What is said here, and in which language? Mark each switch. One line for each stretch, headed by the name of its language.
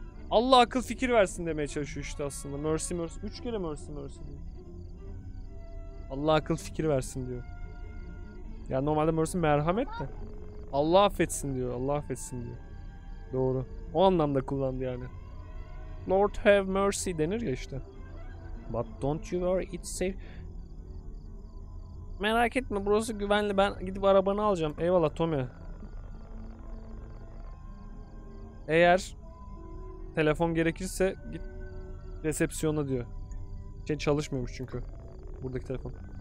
Turkish: Allah akıl fikir versin demeye çalışıyor işte aslında.
English: Mercy, mercy.
Turkish: Üç kere mercy, mercy diyor. Allah akıl fikir versin diyor. Ya yani normalde mercy merhamet de. Allah affetsin diyor. Allah affetsin diyor. Doğru. O anlamda kullandı yani.
English: Lord have mercy
Turkish: denir ya işte.
English: But don't you worry, it's safe.
Turkish: Merak etme, burası güvenli. Ben gidip arabanı alacağım. Eyvallah Tommy. Eğer telefon gerekirse git resepsiyona diyor. Şey çalışmıyormuş çünkü. Buradaki telefon.